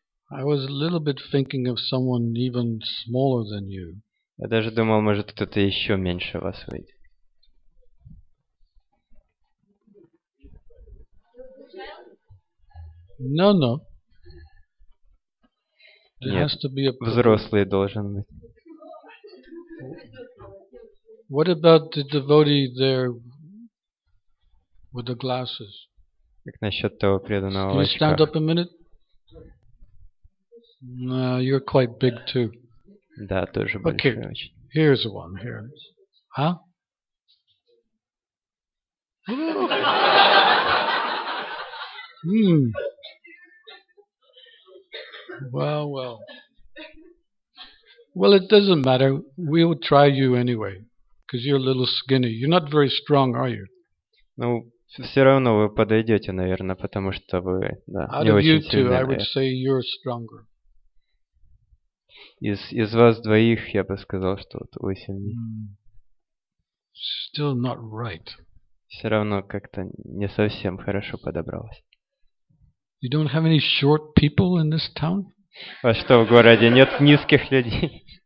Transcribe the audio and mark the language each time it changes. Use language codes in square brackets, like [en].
[en] I was a little bit thinking of someone even smaller than you. [ru] Я даже думал, может, кто-то еще меньше вас выйдет. [en] No. [ru] Нет, [en] has to be a [ru] взрослый должен быть. [en] What about the devotee there with the glasses? [ru] Как насчет того преданного? [en] Can you stand up a minute? No, you're quite big too. [ru] Да, тоже [en] okay, [ru] большой очень. [en] Okay, here's one here. Huh? Well. Well, it doesn't matter. We will try you anyway, because you're a little skinny. You're not very strong, are you? [ru] Ну, все равно вы подойдете, наверное, потому что вы, да, не очень сильные. [en] of you two, I would say you're stronger. [ru] Из вас двоих я бы сказал, что вот вы сильнее. [en] Still not right. [ru] Все равно как-то не совсем хорошо подобралось. [en] You don't have any short people in this town? [ru] А что, в городе нет низких людей?